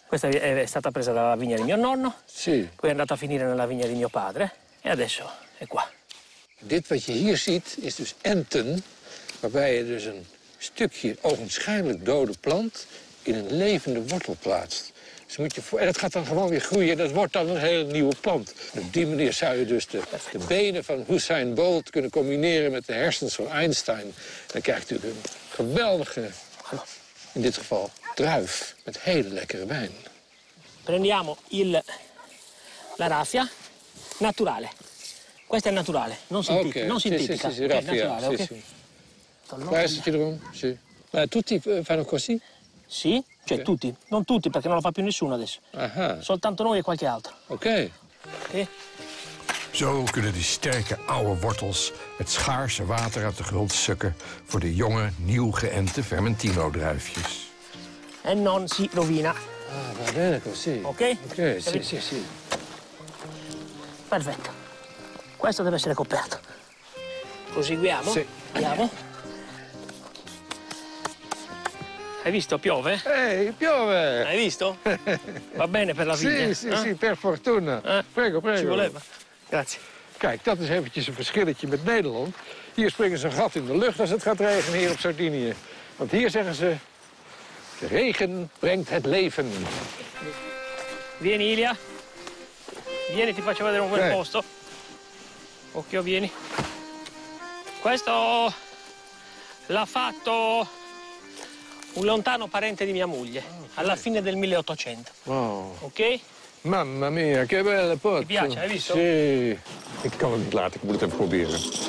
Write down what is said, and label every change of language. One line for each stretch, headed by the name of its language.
Italian: Questa è stata presa dalla vigna di mio nonno. Sì. Poi è andata a finire nella vigna di mio padre. E adesso è qua.
Dutch: Dit wat je hier ziet is dus enten. Waarbij je dus een stukje ogenschijnlijk dode plant in een levende wortel plaatst. Dus moet je voor, en dat gaat dan gewoon weer groeien en dat wordt dan een hele nieuwe plant. En op die manier zou je dus de benen van Usain Bolt kunnen combineren met de hersens van Einstein. Dan krijg je natuurlijk een geweldige, in dit geval, druif met hele lekkere wijn.
Italian: Prendiamo il la raffia naturale. Questa è naturale, non sintetica. Okay. Non sintetica. Sì, raffia, okay. Sì, sì. Questo è sì. Ma tutti fanno così? Sì, cioè okay. Tutti, non tutti perché non lo fa più nessuno adesso. Aha. Soltanto noi e qualche altro. Ok. Ok.
Dutch: Zo kunnen die sterke oude wortels het schaarse water uit de grond sukken voor de jonge, nieuw geënte Fermentino-druifjes.
Italian: En non si rovina. Ah, va bene così. Ok? Ok, sì, sì, sì. Perfetto. Questo deve essere coperto. Proseguiamo? Sì. Andiamo. Hai visto? Piove? Ehi, piove! Hai visto? Va bene per la vigna. Sì, sì, eh? Sì, per fortuna. Prego, prego. Ci voleva. Grazie.
Dutch: Kijk, dat is eventjes een verschilletje met Nederland. Hier springen ze een gat in de lucht als het gaat regenen hier op Sardinië. Want hier zeggen ze, de regen brengt het leven.
Italian: Vieni, Ilia. Vieni, ti faccio vedere un bel posto. Occhio, vieni. Questo l'ha fatto un lontano parente di mia moglie, alla fine del 1800. Wow. Ok? Mamma mia, che bella porta. Ti piace, hai visto? Sì.
Dutch: Ik kan het niet laten, ik moet het even proberen.